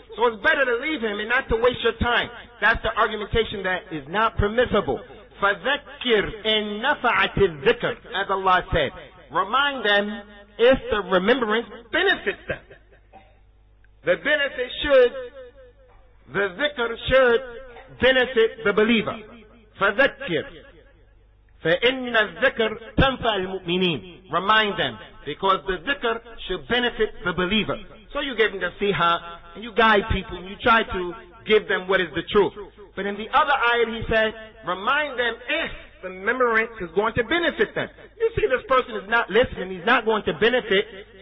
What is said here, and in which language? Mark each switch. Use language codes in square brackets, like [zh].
[en] So it's better to leave him and not to waste your time. That's the argumentation that is not permissible. [ar] فَذَكِّرْ إِن نَفَعَتِ الذِّكْرِ [en] As Allah said, remind them if the remembrance benefits them. The benefit should, the zikr should benefit the believer. [ar] فَذَكِّرْ فَإِنَّ الذِّكْرَ تَنْفَعَ الْمُؤْمِنِينَ [en] Remind them. because the dhikr should benefit the believer. So you gave him the siha, and you guide people, and you try to give them what is the truth. But in the other ayat, he said, remind them if the memorance is going to benefit them. You see, this person is not listening. He's not going to benefit.